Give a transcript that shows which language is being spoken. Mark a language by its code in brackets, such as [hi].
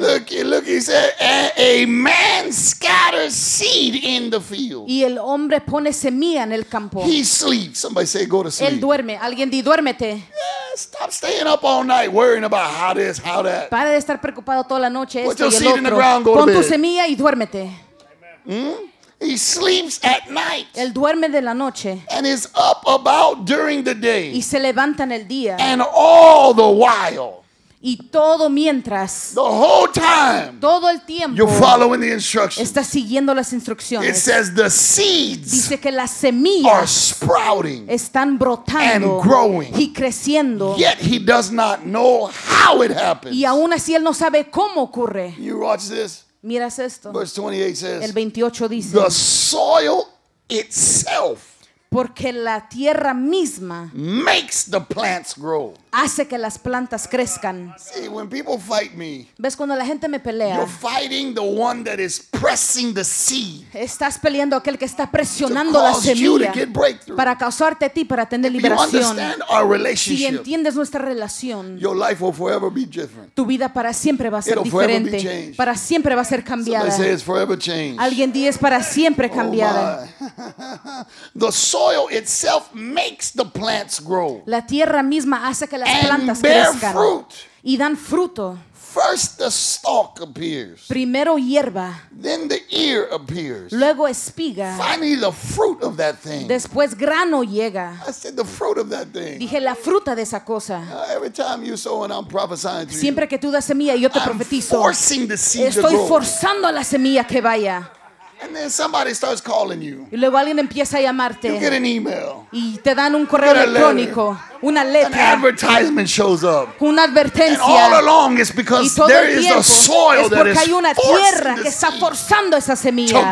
[en] Look, he said, a man scatters seed in the field. [es] Y el hombre pone semilla en el campo. [en] He sleeps. Somebody say, go to sleep. [es] Él duerme. Alguien di, duérmete. [en] Yeah, stop staying up all night worrying about how this, how that. [es] Para de estar preocupado toda la noche. [en] Put your seed in the ground, go [es] pon [en] to bed. [es] Pon tu semilla y duérmete. [en] He sleeps at night. [es] Él duerme de la noche. [en] And is up about during the day. [es] Y se levanta en el día. [en] And all the while. [es] Y todo mientras [en] the whole time, [es] todo el tiempo [en] you're following the instructions. [es] Estás siguiendo las instrucciones. [en] It says the seeds [es] dice que las semillas [en] are sprouting [es] están brotando [en] and growing, [es] y creciendo. [en] Yet he does not know how it happens. [es] Y aún así él no sabe cómo ocurre. [en] You watch this. [es] Miras esto. [en] Verse 28 says, [es] el 28 dice [en] the soil itself [es] Porque la tierra misma [en] makes the plants grow. [es] Hace que las plantas crezcan. [en] See, when people fight me, [es] ves cuando la gente me pelea, [en] you're fighting the one that is pressing the seed. [es] Estás peleando aquel que está presionando la semilla para causarte a ti para tener liberación. Si entiendes nuestra relación, [en] your life will forever be different. [es] Tu vida para siempre va a ser [en] It'll [es] diferente. Para siempre va a ser cambiada. [en] Somebody say it's forever changed. [es] Alguien dice para siempre cambiada. [en] The soil itself makes the plants grow. [es] La tierra misma hace que las [en] and [es] plantas [en] bear [es] crezcan [en] fruit. [es] Y dan fruto. [en] First the stalk appears. [es] Primero hierba. [en] Then the ear appears. [es] Luego espiga. [en] Finally the fruit of that thing. [es] Después grano llega. [en] I said the fruit of that thing. [es] Dije la fruta de esa cosa. [en] Every time you sow and I'm prophesying to you. [es] Siempre que tú das semilla yo te profetizo. [en] I'm forcing the seed to grow. [es] Estoy forzando a la semilla que vaya. [en] And then somebody starts calling you. [es] Y luego alguien empieza a llamarte. [en] You get an email. [es] Y te dan un correo electrónico. Una letra. [en] An advertisement shows up. [es] Una advertencia. [en] And all along it's because there is a soil that is [es] porque hay una tierra que está forzando esa semilla